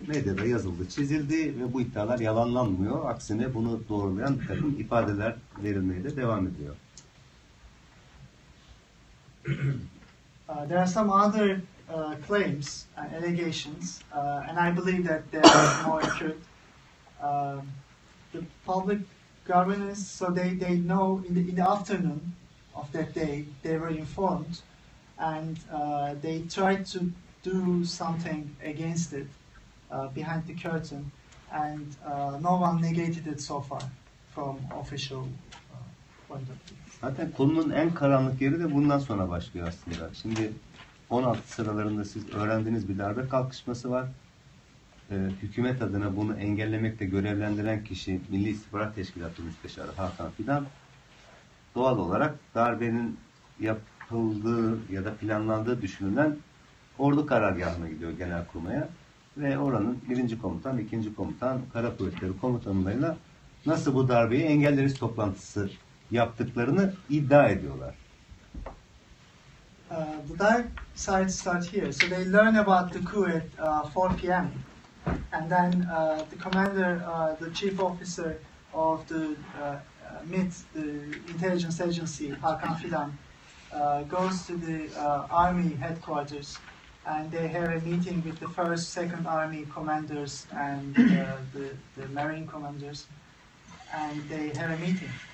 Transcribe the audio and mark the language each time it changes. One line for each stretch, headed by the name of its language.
Turkish: Medyada yazıldı, çizildi ve bu iddialar yalanlanmıyor. Aksine bunu doğrulayan bir takım ifadeler verilmeye de devam ediyor.
English: There are some other claims and allegations, and I believe that they are more accurate. The public governance, so they know in the afternoon of that day, they were informed, and they tried to do something against it behind the curtain, and no one negated it so far from official point of view.
Turkish: Zaten konunun en karanlık yeri de bundan sonra başlıyor aslında. Şimdi 16 sıralarında siz öğrendiğiniz bir darbe kalkışması var. Hükümet adına bunu engellemekle görevlendiren kişi Milli İstihbarat Teşkilatı Müsteşarı Hakan Fidan. Doğal olarak darbenin yapıldığı ya da planlandığı düşünülen ordu karargahına gidiyor genelkurmaya. Ve oranın birinci komutan, ikinci komutan, kara kuvvetleri komutanlarıyla nasıl bu darbeyi engelleriz toplantısı yaptıklarını iddia ediyorlar.
English: The dark side starts here. So they learn about the coup at 4 p.m. and then the commander, the chief officer of the MIT, the intelligence agency, Hakan Fidan, goes to the army headquarters and they have a meeting with the first, second army commanders and the marine commanders, and they have a meeting.